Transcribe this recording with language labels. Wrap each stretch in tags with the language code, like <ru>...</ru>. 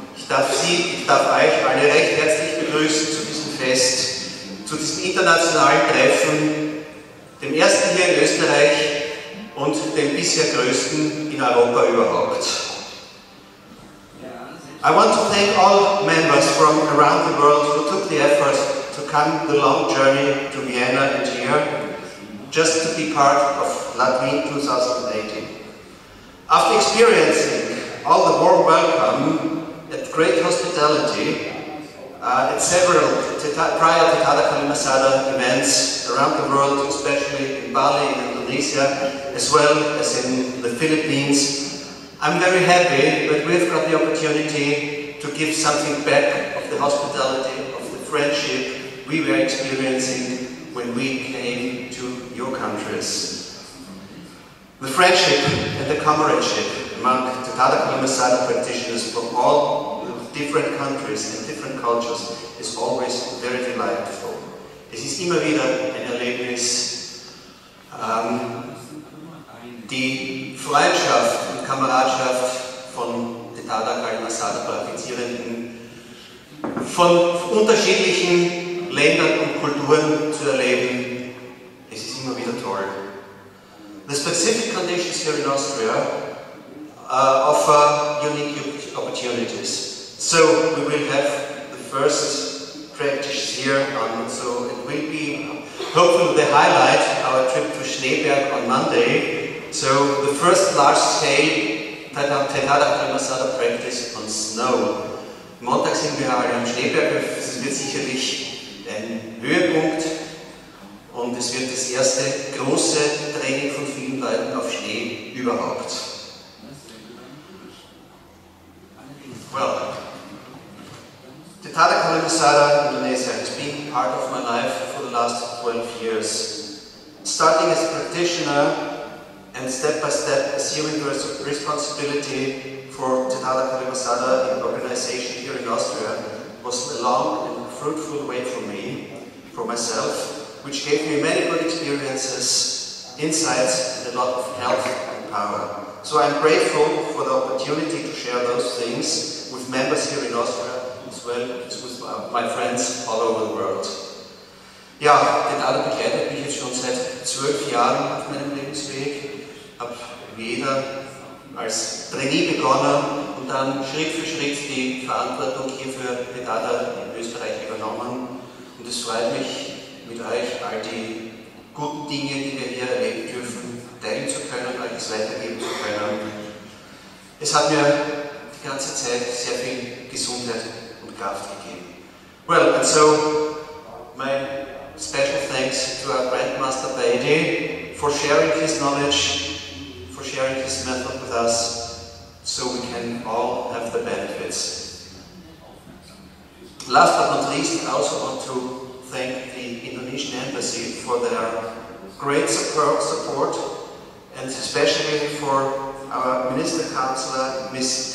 <de>Ich darf euch alle recht herzlich begrüßen zu diesem Fest, zu diesem internationalen Treffen, dem ersten hier in Österreich und dem bisher größten in Europa überhaupt.</de> <en>I want to thank all members from around the world who took the effort to come the long journey to Vienna and here, just to be part of Latwien 2018. After experiencing all the warm welcome and great hospitality at several prior Tetada Kalimasada events around the world, especially in Bali, in Indonesia, as well as in the Philippines, I'm very happy that we've got the opportunity to give something back of the hospitality, of the friendship we were experiencing when we came to your countries. The friendship and the comradeship among Tetada Kalimasada practitioners from all different countries and different cultures is always very delightful.</en> <de>Es ist immer wieder ein Erlebnis. Die Freundschaft und Kameradschaft von Tetada Kalimasada Praktizierenden von unterschiedlichen Ländern und Kulturen zu erleben, es ist immer wieder toll.</de> <en>The specific conditions here in Austria offer unique opportunities. So we will have the first practice here on, so it will be hopefully the highlight, our trip to Schneeberg on Monday. So the first large-scale Tetada Kalimasada practice on snow.</en> <de>Montag sind wir alle am Schneeberg. Es wird sicherlich ein Höhepunkt und es wird das erste große Training von vielen Leuten auf Schnee überhaupt.</de> <en>Well, Tetada Kalimasada Indonesia has been part of my life for the last 12 years. Starting as a practitioner and step by step assuming responsibility for Tetada Kalimasada in organization here in Austria was a long and fruitful way for me, for myself, which gave me many good experiences, insights, and a lot of health and power. So I'm grateful for the opportunity to share those things with members here in Austria, as well as with my friends all over the world.</en> <de>Ja, Tetada begleitet mich jetzt schon seit 12 Jahren auf meinem Lebensweg. Habe wieder als Trainee begonnen und dann Schritt für Schritt die Verantwortung hier für Tetada in Österreich übernommen. Und es freut mich, mit euch all die guten Dinge, die wir hier erleben dürfen, teilen zu können, euch es weitergeben zu können. Es hat mir die ganze Zeit sehr viel Gesundheit und Kraft gegeben.</de> <en>Well, and so my special thanks to our Grandmaster Baidi for sharing his knowledge, for sharing this method with us, so we can all have the benefits. Last but not least, I also want to thank the Indonesian Embassy for their great support, and especially for our Minister Counselor, Ms.</en>